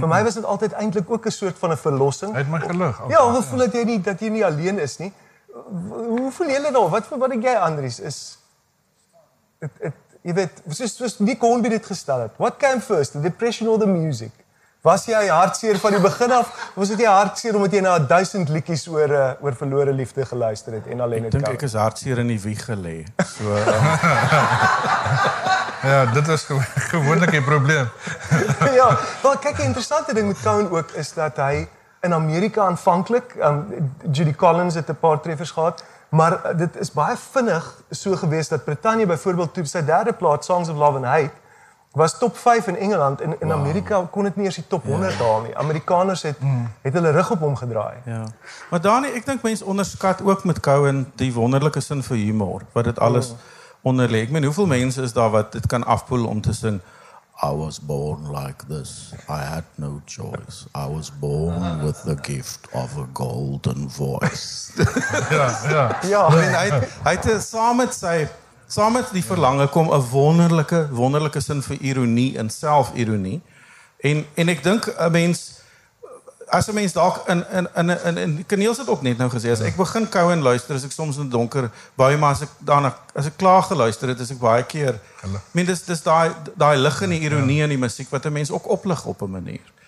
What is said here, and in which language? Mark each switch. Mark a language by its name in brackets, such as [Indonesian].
[Afrikaans] Vir my was dit altyd eintlik ook 'n soort van 'n verlossing. Hy het my gelig. Ja, ek voel dat jy nie alleen is nie. Hoe voel jy dan? Wat dink jy, Andries? Is dit jy weet, soos wie kon by dit gestel het? [English] What came first, the depression or the music? [Afrikaans] Was jy hartseer van die begin af? Was dit jy hartseer omdat jy na 1000 liedjies oor verlore liefde geluister het en alleen het? Ek dink ek is hartseer in die wieg gelê. So ja, dit is gewoonlik 'n probleem. Ja, wel kyk, die interessante ding met Cohen ook is dat hy in Amerika aanvanklik, Judy Collins het 'n paar treffers gehad, maar dit is baie vinnig so gewees dat Brittanje byvoorbeeld toe sy derde plaat Songs of Love and Hate was top 5 in Engeland en in Amerika kon dit nie eers die top 100 haal nie. Amerikaners het hulle rug op hom gedraai. Ja. Maar Dani, ek dink mense onderskat ook met Cohen die wonderlike sin vir humor, wat dit alles onderlê. Ek meen, hoeveel mense is daar wat dit kan afpoel om te sing [English] I was born like this. I had no choice. I was born with the gift of a golden voice. [Afrikaans] Ja. [English] I mean, [Afrikaans] hy het saam met die verlange kom 'n wonderlike, wonderlike sin vir ironie en selfironie. En ek dink 'n mens, as 'n mens dalk in Kaneels het ook net nou gesê, as ek begin kou en luister, as ek soms in donker baie, maar as ek klaar geluister het, is ek baie keer, [English] I mean, [Afrikaans] dis daai lig en die ironie in die musiek wat 'n mens ook oplig op 'n manier.